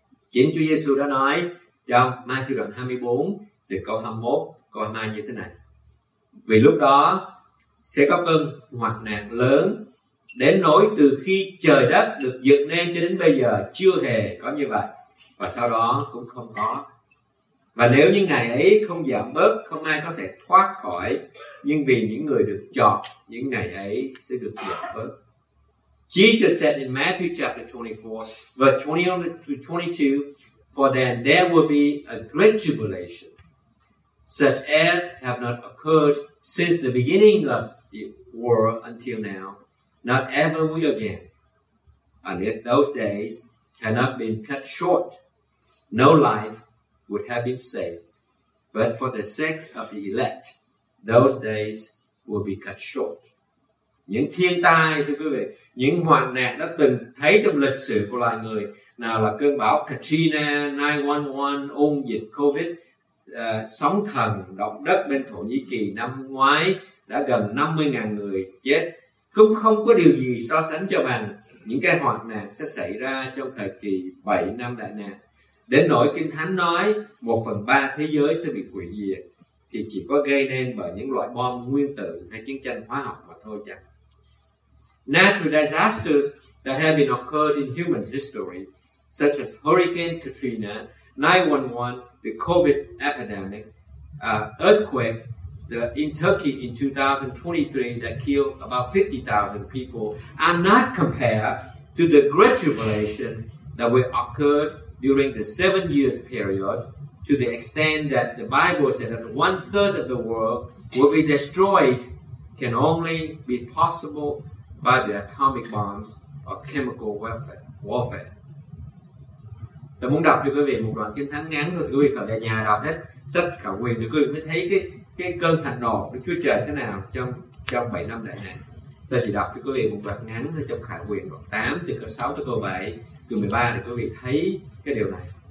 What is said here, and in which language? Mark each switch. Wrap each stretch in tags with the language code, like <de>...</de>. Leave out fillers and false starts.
<vi>Chính Chúa Giêsu đã nói trong Matthew đoạn 24, từ câu 21, câu 22 như thế này. Vì lúc đó sẽ có cơn hoạn nạn lớn đến nỗi từ khi trời đất được dựng nên cho đến bây giờ chưa hề có như vậy, và sau đó cũng không có. Và nếu những ngày ấy không giảm bớt, không ai có thể thoát khỏi, nhưng vì những người được chọn, những ngày ấy sẽ được giảm bớt.</vi> <en>Jesus said in Matthew chapter 24, verse 20-22, for then there will be a great tribulation, such as have not occurred since the beginning of the world until now, not ever will again. And if those days had not been cut short, no life would have been saved. But for the sake of the elect, those days will be cut short.</en> <vi>Những thiên tai, thưa quý vị, những hoạn nạn đã từng thấy trong lịch sử của loài người, nào là cơn bão Katrina, 911, ôn dịch COVID, sóng thần, động đất bên Thổ Nhĩ Kỳ năm ngoái, đã gần 50.000 người chết, cũng không có điều gì so sánh cho bằng những cái hoạn nạn sẽ xảy ra trong thời kỳ 7 năm đại nạn. Đến nỗi Kinh Thánh nói 1/3 thế giới sẽ bị hủy diệt, thì chỉ có gây nên bởi những loại bom nguyên tử hay chiến tranh hóa học mà thôi chẳng.</vi> <en>Natural disasters that have been occurred in human history, such as Hurricane Katrina, 911, the COVID epidemic, earthquake, in Turkey in 2023 that killed about 50,000 people, are not compared to the great tribulation that will occur during the 7 years period, to the extent that the Bible said that 1/3 of the world will be destroyed can only be possible by the atomic bombs or chemical warfare.</en> <vi>Tôi muốn đọc cho quý vị một đoạn kinh thánh ngắn thôi, quý vị phải về nhà đọc hết sách Khải Huyền để quý vị mới thấy cái cơn thạnh nộ của Chúa Trời thế nào trong 7 năm đại nạn. Tôi chỉ đọc cho quý vị một đoạn ngắn thôi, trong Khải Huyền đoạn 8 từ câu 6 tới câu 7, từ 13 để quý vị thấy cái điều này.</vi>